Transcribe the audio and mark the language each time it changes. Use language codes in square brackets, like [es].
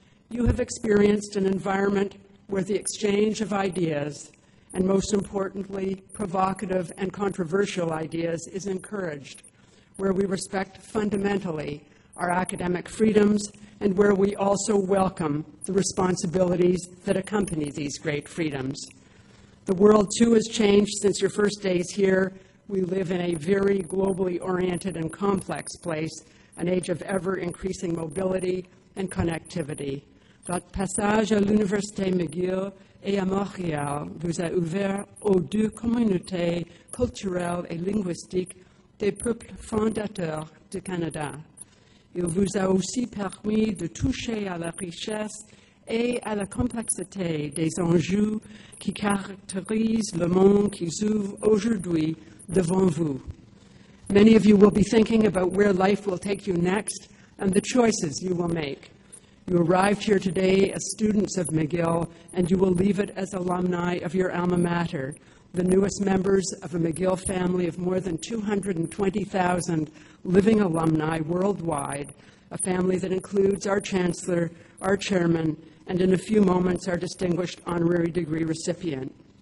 [en] You have experienced an environment where the exchange of ideas, and most importantly, provocative and controversial ideas, is encouraged, where we respect fundamentally our academic freedoms, and where we also welcome the responsibilities that accompany these great freedoms. The world, too, has changed since your first days here. We live in a very globally oriented and complex place, an age of ever-increasing mobility and connectivity. [fr] Votre passage à l'Université McGill et à Montréal vous a ouvert aux deux communautés culturelles et linguistiques des peuples fondateurs du Canada. Il vous a aussi permis de toucher à la richesse et à la complexité des enjeux qui caractérisent le monde qui s'ouvre aujourd'hui devant vous. [en] Many of you will be thinking about where life will take you next and the choices you will make. You arrived here today as students of McGill, and you will leave it as alumni of your alma mater, the newest members of a McGill family of more than 220,000 living alumni worldwide, a family that includes our chancellor, our chairman, and in a few moments, our distinguished honorary degree recipient.